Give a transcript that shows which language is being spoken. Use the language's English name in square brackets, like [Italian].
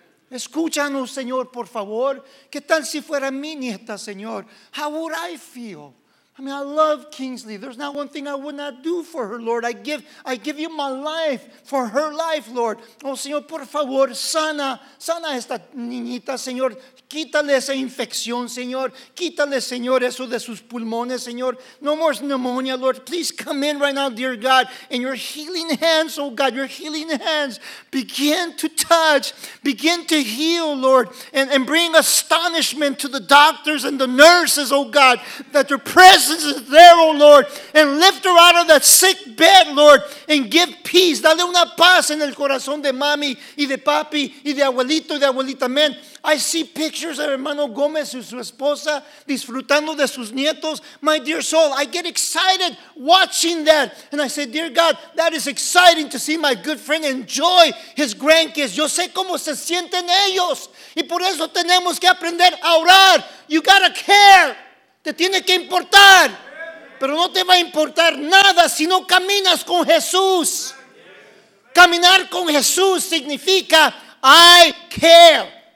[Spanish] Escúchanos, Señor, por favor. ¿Qué tal si fuera mi nieta, Señor? [English] How would I feel? I mean, I love Kingsley. There's not one thing I would not do for her, Lord. I give you my life for her life, Lord. [Spanish] Oh, Señor, por favor, sana esta niñita, Señor. Quítale esa infección, Señor. Quítale, Señor, eso de sus pulmones, Señor. [English] No more pneumonia, Lord. Please come in right now, dear God. And your healing hands, oh God, your healing hands, begin to touch, begin to heal, Lord. And bring astonishment to the doctors and the nurses, oh God, that your presence is there, oh Lord. And lift her out of that sick bed, Lord, and give peace. [Spanish] Dale una paz en el corazón de mami y de papi y de abuelito y de abuelita. Amen. [English] I see pictures of [Spanish] hermano Gomez y su esposa disfrutando de sus nietos. [English] My dear soul, I get excited watching that. And I say, dear God, that is exciting to see my good friend enjoy his grandkids. [Spanish] Yo sé cómo se sienten ellos. Y por eso tenemos que aprender a orar. [English] You gotta care. [Spanish] Te tiene que importar. Pero no te va a importar nada si no caminas con Jesús. Caminar con Jesús significa [English] I care.